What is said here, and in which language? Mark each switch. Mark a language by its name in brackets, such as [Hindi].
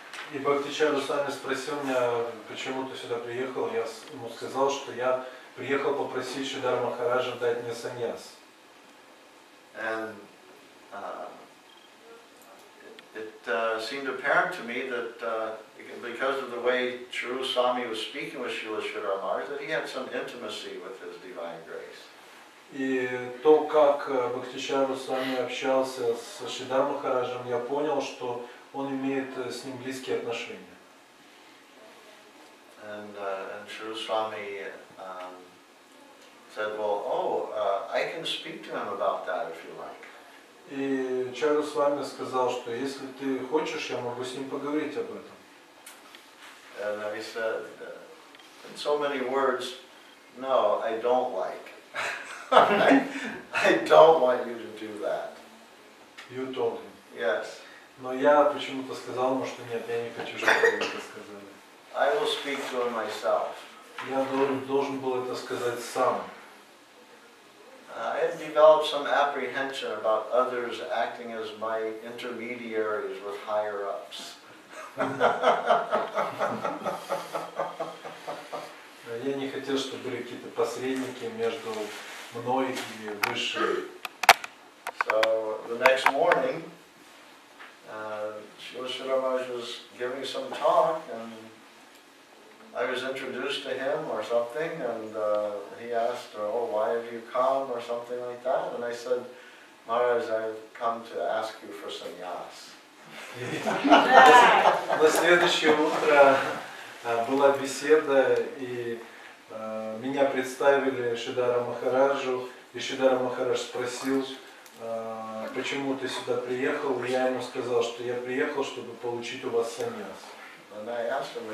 [Russian] И Бхактичару Сами спросил меня, почему ты сюда приехал. Я ему сказал, что я приехал попросить Шридхар Махараджа дать мне саньяс. [English] And it seemed apparent to me that because of the way Charu Swami was speaking with Srila Shridhar Maharaj, that he had some intimacy with his divine grace. [Russian] И то, как Бхактичару Сами общался с Шридхар Махараджем, я понял, что он имеет с ним близкие отношения. [English] And Shri Swami said, well, I can speak to him about that if you like. [Russian] И Чару Свами сказал, что если ты хочешь, я могу с ним поговорить об этом. [English] And he said, in so many words, no, I don't like. I don't want you to do that. You told him. Yes. [Russian] Но я почему-то сказал ему, что нет, я не хочу, чтобы вы это сказали. [English] I will speak to him myself. [Russian] Я должен был это сказать сам. [English] I have developed some apprehension about others acting as my intermediaries with higher ups. [Russian] Я не хотел, чтобы были какие-то посредники между мной и высшими. [English] So the next morning. Srila Shridhar Maharaj was giving some talk, and I was introduced to him or something, and he asked, why have you come, or something like that, and I said, Maharaj, I've come to ask you for sannyas. [Russian] На следующее утро была беседа, и меня представили Шридхару Махараджу, и Шридхар Махарадж спросил, почему ты сюда приехал? И я ему сказал, что я приехал, чтобы получить у вас саньяс.